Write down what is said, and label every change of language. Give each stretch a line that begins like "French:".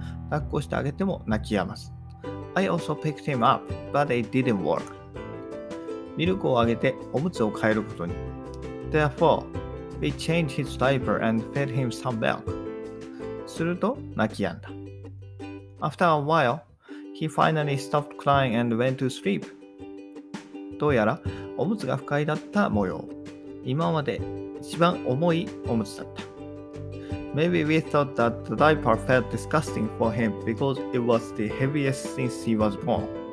Japanese: 抱っこしてあげても泣き止まず。
English: I also picked him up, but it didn't work.
Japanese: ミルクをあげておむつを変えることに。
English: Therefore, we changed his diaper and fed him some milk.
Japanese: すると泣き止んだ。
English: After a while, he finally stopped crying and went to sleep.
Japanese: どうやらおむつが不快だった模様。今まで一番重いおむつだった。
English: Maybe we thought that the diaper felt disgusting for him because it was the heaviest since he was born.